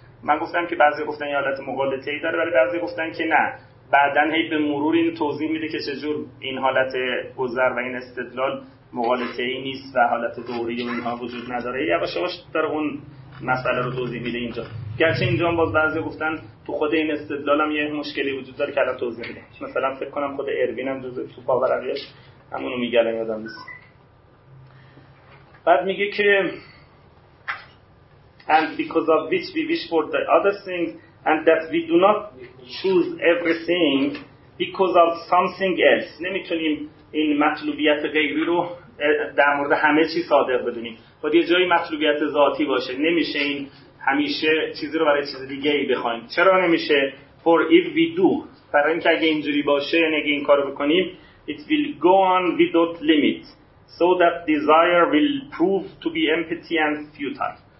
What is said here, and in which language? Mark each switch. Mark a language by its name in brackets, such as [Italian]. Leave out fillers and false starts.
[Persian] من گفتم که بعضی گفتن یه حالت مغالطه‌ای داره، ولی بعضی گفتن که نه، بعدن هی به مرور این توضیح میده که چجور این حالت گذر و این استدلال مغالطه‌ای نیست و حالت دوری و اینها وجود نداره. یواش یواش در اون مسئله رو توضیح میده اینجا. گرچه اینجا هم باز بعضی گفتن تو خود این استدلال هم یه مشکلی وجود داره که الان توضیح میدم. مثلا فکر کنم خود اروین هم جزو تو پاورقیش همونو میگه یادم نیست. بعد میگه که [English] and because of which we wish for the other things and that we do not choose everything because of something else. [Persian] نمیتونیم این مطلوبیت غیری رو در مورد همه چی صادق بدونیم. باید یه جایی مطلوبیت ذاتی باشه. نمیشه این همیشه چیزی رو برای چیز دیگه ای بخوایم. چرا نمیشه؟ [English] For if we do. [Persian] برای اینکه اگه اینجوری باشه یعنی اگه این کار رو بکنیم [English] it will go on without limit so that desire will prove to be empty and futile.